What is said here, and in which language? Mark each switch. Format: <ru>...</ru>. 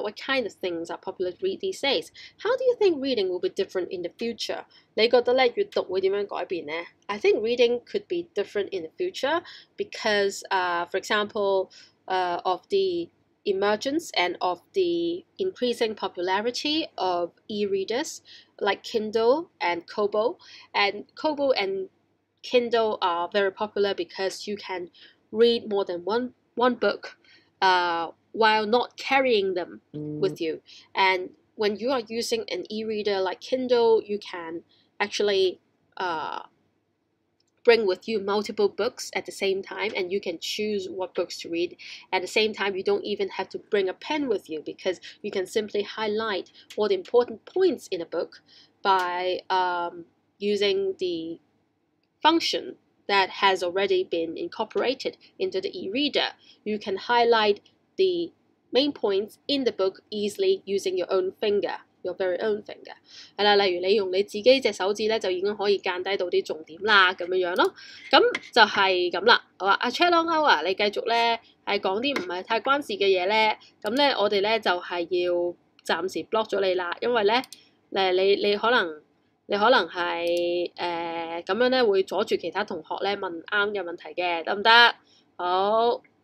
<en>What kind of things are popular to read these days? How do you think reading will be different in the future?</en> <yue>你覺得咧閱讀會點樣改變呢？</yue> <en>I think reading could be different in the future because, for example, of the emergence and of the increasing popularity of e-readers like Kindle and Kobo. And Kobo and Kindle are very popular because you can read more than one book while not carrying them with you. And when you are using an e-reader like Kindle, you can actually bring with you multiple books at the same time, and you can choose what books to read. At the same time, you don't even have to bring a pen with you because you can simply highlight all the important points in a book by using the function that has already been incorporated into the e-reader. You can highlight the main points in the book easily using your own finger, your very own finger.</en> <yue>例如你用你自己的手指呢就已经可以间低到啲重点啦，咁样咯。咁就係咁啦。好啊，阿 Chelong Ow 啊，你继续呢係讲啲唔係太关事嘅嘢呢，咁呢我哋呢就係、是、要暂时 block 咗你啦，因为呢 你可能係咁样呢会阻住其他同学呢问啱嘅问题嘅，得唔得？好。</yue>